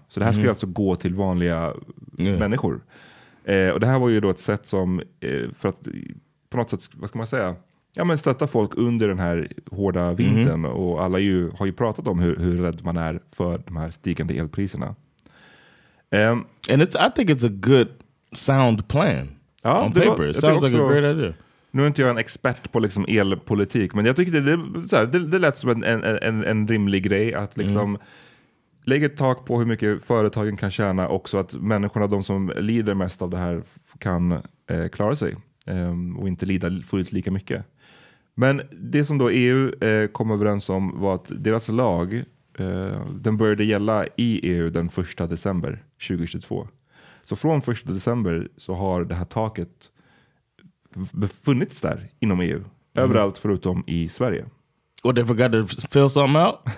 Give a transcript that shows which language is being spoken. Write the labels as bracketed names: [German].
[Swedish] Så det här ska ju alltså gå till vanliga människor. Och det här var ju då ett sätt som, för att på något sätt, vad ska man säga, ja, men stötta folk under den här hårda vintern. Mm. Och alla ju, har ju pratat om hur rädd man är för de här stigande elpriserna. [English] And it's, I think it's a good sound plan. [Swedish] Ja, [English] on paper. Var, it sounds like a great idea. [Swedish] Nu är inte jag en expert på liksom elpolitik, men jag tycker det lät som en rimlig grej att liksom lägga ett tak på hur mycket företagen kan tjäna, också att människorna, de som lider mest av det här, kan klara sig och inte lida fullt lika mycket. Men det som då EU kom överens om var att deras lag, den började gälla i EU den 1 december 2022. Så från 1 december så har det här taket befunnits där inom EU. Mm. Överallt förutom i Sverige. [English] Och they forgot to fill something out?